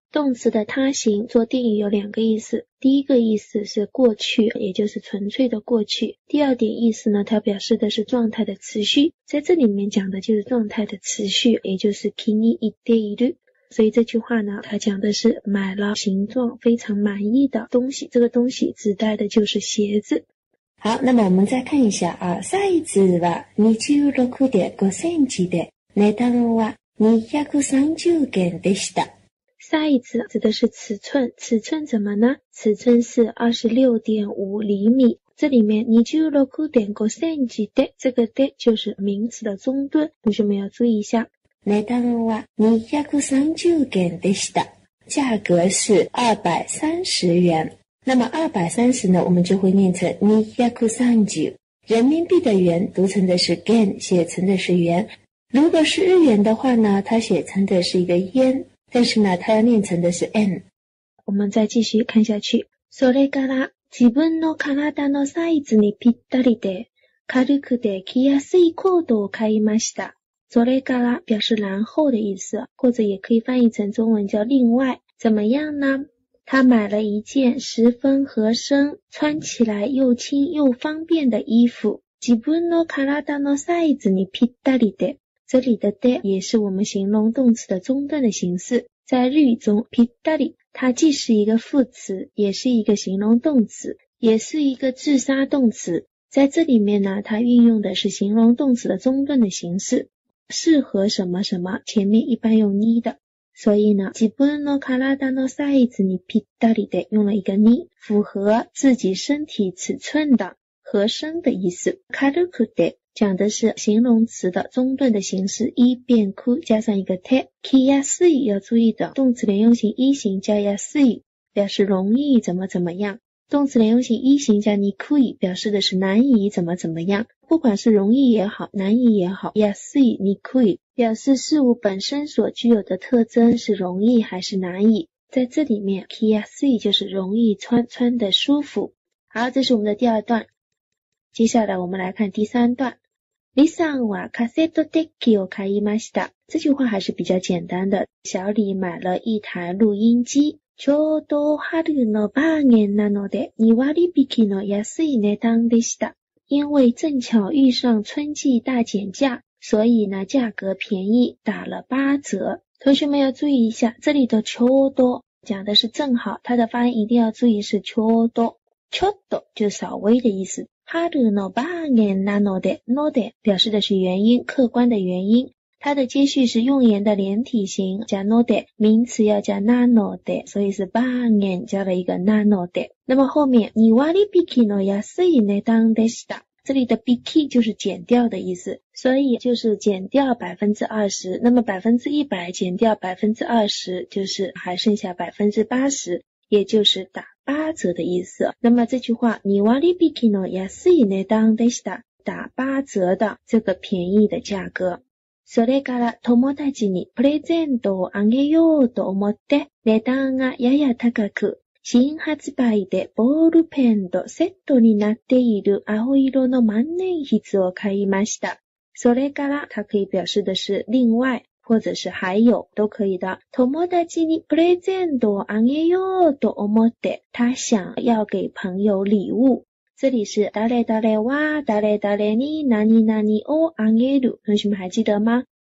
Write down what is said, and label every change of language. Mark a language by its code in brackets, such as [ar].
[zh] 动词的他形做定语有两个意思，第一个意思是过去，也就是纯粹的过去。第二点意思呢，它表示的是状态的持续，在这里面讲的就是状态的持续，也就是 [ja] kini ite iru。 [zh] 所以这句话呢，它讲的是买了形状非常满意的东西，这个东西指代的就是鞋子。好，那么我们再看一下啊， [ja] サイズは 26.5 センチで、値段は230元でした。 [zh] Size 指的是尺寸，尺寸怎么呢？尺寸是 26.5 厘米。这里面 [ja] 26.5 センチで， [zh] 这个で就是名词的中顿，同学们要注意一下。 [ja] 値段は230元でした。 [zh] 价格是230元。那么230呢，我们就会念成230。人民币的元读成的是元，写成的是元。如果是日元的话呢，它写成的是一个yen，但是呢，它要念成的是 n。我们再继续看下去。 [ja] それから自分の体のサイズにぴったりで、軽くて着やすいコートを買いました。それから表示 [zh] 然后的意思，或者也可以翻译成中文叫另外。怎么样呢？他买了一件十分合身、穿起来又轻又方便的衣服。 [ja] 自分の体のサイズにぴったりで。 [zh] 这里的で也是我们形容动词的中断的形式。在日语中ぴったり，它既是一个副词，也是一个形容动词，也是一个自杀动词。在这里面呢，它运用的是形容动词的中断的形式。适合什么什么，前面一般用にで。所以呢， [ja] 自分の体のサイズにぴったりで， [zh] 用了一个に，符合自己身体尺寸的，合身的意思。軽くて讲的是形容词的中断的形式一变哭加上一个 te， [ja] 着やすい [zh] 要注意的动词连用型一型加やすい表示容易怎么怎么样，动词连用型一型加にくい表示的是难以怎么怎么样，不管是容易也好难以也好， [ja] やすいにくい [zh] 表示事物本身所具有的特征是容易还是难以，在这里面着やすい就是容易穿，穿的舒服。好，这是我们的第二段，接下来我们来看第三段。 [ja] 李さんはカセットデッキを買いました。 [zh] 这句话还是比较简单的。小李买了一台录音机。 [ja] ちょうど春のバーゲンなので、2割引きの安い値段でした。 [zh] 因为正巧遇上春季大减价，所以呢价格便宜，打了八折。同学们要注意一下，这里的ちょうど讲的是正好，它的发音一定要注意是ちょうど。ちょっと就稍微的意思。 [ja] 春のバーゲンなので、ので表示的是原因， [zh] 客观的原因。它的接续是用言的连体型，加ので，名词要加なので，所以是バーゲン加了一个なので。那么后面 [ja] 2割引きの安い値段でした。 [zh] 这里的引き就是减掉的意思，所以就是减掉 20%， 那么 100% 减掉 20%， 就是还剩下 80%， 也就是打八折的意思。那么这句话 [ja] 2割引きの安い値段でした， [zh] 打八折的这个便宜的价格。 [ja] それから友達にプレゼントをあげようと思って値段がやや高く、新発売でボールペンとセットになっている青色の万年筆を買いました。それから、 [zh] 它可以表示的是另外或者是还有都可以的。 [ja] 友達にプレゼントをあげようと思って， [zh] 他想要给朋友礼物。这里是 [ja] 誰誰は誰誰に何々をあげる， [zh] 同学们还记得吗？